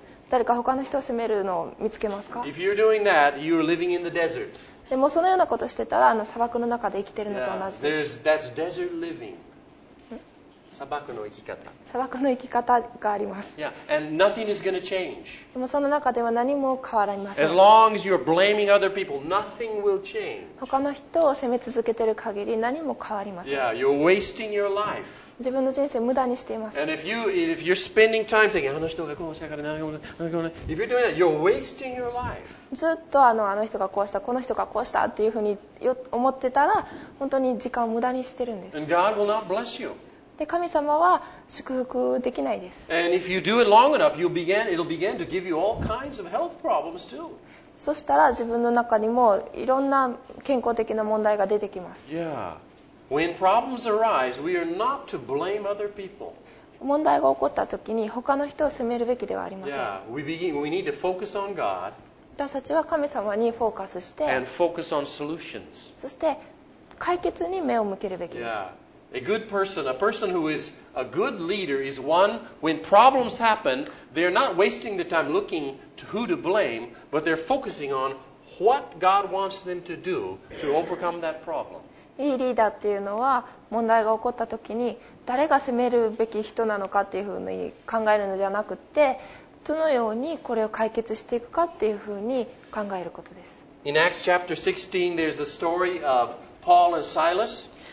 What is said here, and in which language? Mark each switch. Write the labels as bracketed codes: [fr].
[ja] 誰か他の人を責めるのを見つけますか。でもそのようなことをしてたら砂漠の中で生きているのと同じです。 [en] that's desert living. [ja] 砂漠の生き方、砂漠の生き方があります。 [en] yeah. And nothing is going to change. [ja] でもその中では何も変わりません。 [en] As long as you're blaming other people, nothing will change. [ja] 他の人を責め続けている限り何も変わりません。 [en] yeah. You're wasting your life. [ja] 自分の人生を無駄にしています。 [en] And if you're spending time saying, [ja] あの人がこうしたから何が起こるの? [en] If you're doing that, you're wasting your life. [ja] ずっとあの人がこうした、この人がこうしたっていうふうに思ってたら本当に時間を無駄にしてるんです。 [en] And God will not bless you. [ja] で神様は祝福できないです。そしたら自分の中にもいろんな健康的な問題が出てきます。 [en] When problems arise, we are not to blame other people. [ja] 問題が起こった時に他の人を責めるべきではありません。 [en] Yeah, we need to focus on God. [ja] 私たちは神様にフォーカスして、 [en] and focus on solutions. [ja] そして解決に目を向けるべきです。 [en] Yeah. A good person, a person who is a good leader, is one when problems happen, they're not wasting the time looking to who to blame, but they're focusing on what God wants them to do to overcome that problem. [ja] いいリーダーっていうのは問題が起こった時に誰が責めるべき人なのかっていうふうに考えるのではなくて、どのようにこれを解決していくかっていうふうに考えることです。 [en] In Acts chapter 16, there's the story of Paul and Silas.